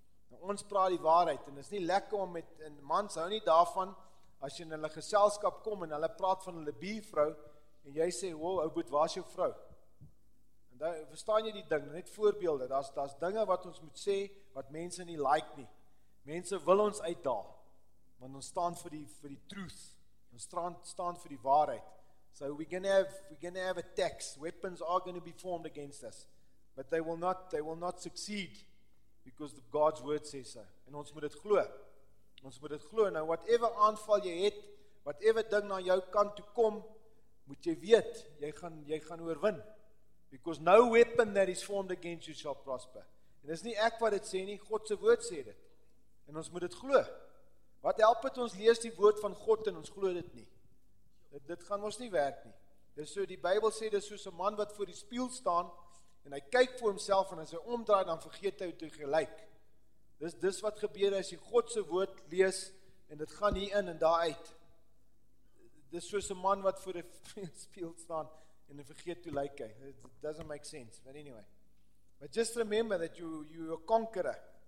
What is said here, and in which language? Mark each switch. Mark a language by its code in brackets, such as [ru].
[af] Nou, ons praat die waarheid, en is nie lekker om met, en mans hou nie daarvan, as jy in hulle geselskap kom, en hulle praat van hulle biervrou, en jy sê, wow, ou boet, waar is jou vrou? En daar, verstaan jy die ding, net voorbeelde, daar's dinge wat ons moet sê, wat mense nie like nie. Mense wil ons uitdaag, want ons staan vir die truth, ons staan vir die waarheid. [en] So we're going to have attacks. Weapons are going to be formed against us. But they will not succeed because the God's word says so. [af] En ons moet dit glo. Ons moet dit glo. Nou, whatever aanval jy het, whatever ding na jou kant toe kom, moet jy weet, jy gaan oorwin. [en] Because no weapon that is formed against you shall prosper. [af] En dis nie ek wat dit sê nie, God se woord sê dit. En ons moet dit glo. Wat help het ons lees die woord van God en ons glo dit nie? Dit gaan ons nie werk nie. Dis so, die Bybel sê, dis soos 'n man wat voor die spieël staan, en hy kyk vir homself, en as hy omdraai, dan vergeet hy toe gelyk. Dis wat gebeur as jy God se woord lees, en dit gaan hier in en daar uit. dis soos 'n man wat voor 'n spieël staan en vergeet hoe lyk hy. [en] It doesn't make sense, but anyway. But just remember that you are a conqueror.